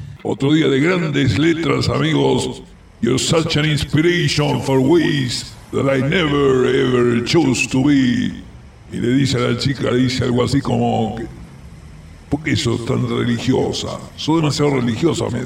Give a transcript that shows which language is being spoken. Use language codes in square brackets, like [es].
[es] otro día de grandes letras, amigos. [en] You're such an inspiration for ways that I never ever chose to be. [es] Y le dice a la chica, le dice algo así como, ¿por qué sos tan religiosa? Sos demasiado religiosa.